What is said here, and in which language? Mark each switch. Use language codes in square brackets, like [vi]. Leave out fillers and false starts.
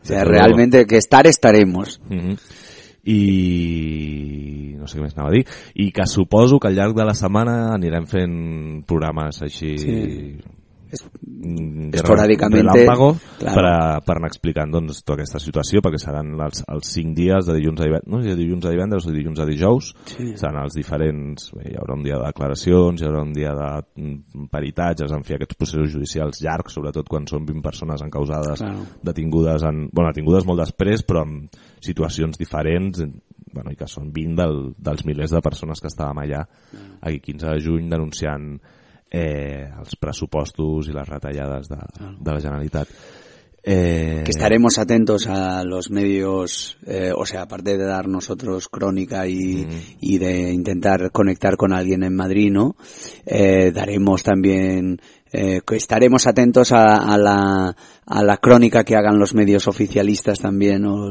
[es] Realmente, que estaremos. Uh-huh. [ca] I no sé què més anava a dir. I que suposo que al llarg de la setmana anirem fent programes així... Sí. esporàdicament [es] relàmpago, claro. [ca] per anar explicant doncs tota aquesta situació, perquè seran els 5 dies de dilluns a divendres, no? Dilluns a divendres o dilluns a dijous, sí. Seran els diferents, hi haurà un dia de declaracions, hi haurà un dia de peritatges, en fi, aquests processos judicials llargs, sobretot quan són 20 persones encausades, claro. Detingudes, en, bueno, detingudes molt després, però en situacions diferents, bueno, i que són 20 dels milers de persones que estàvem allà, claro. Aquí 15 de juny denunciant els pressupostos i les retallades de la Generalitat. [es] Que estaremos atentos a los medios, o sea, aparte de dar nosotros crónica y de intentar conectar con alguien en Madrid, ¿no? Daremos también, estaremos atentos a la crónica que hagan los medios oficialistas también, o ¿no?